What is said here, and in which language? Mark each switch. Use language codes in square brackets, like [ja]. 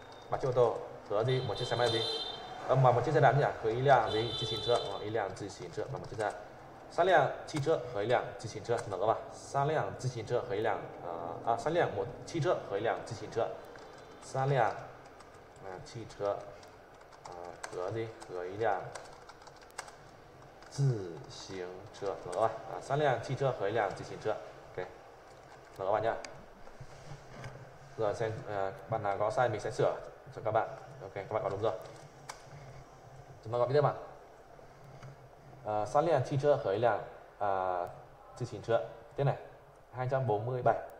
[vi] 3 chiếc ô tô và 1 chiếc xe máy là gì? 1 chiếc xe đạp là gì? [zh] 1 辆自行车. 1 辆自行车 [vi] và 1 chiếc xe đạp. [zh] 3辆汽车和一辆自行车, 能够吧?3辆自行车和一辆, 3辆汽车和一辆自行车, 3辆汽车和一辆自行车, 能够吧? 3辆汽车和一辆自行车, OK, 能够吧? 这样, [vi] bạn nào có sai mình sẽ sửa cho các bạn, OK, các bạn có đúng rồi. Chúng ta gọi cái tiếp mà. [zh] 3辆汽车和一辆自行车. [vi] Tiếp này. 247.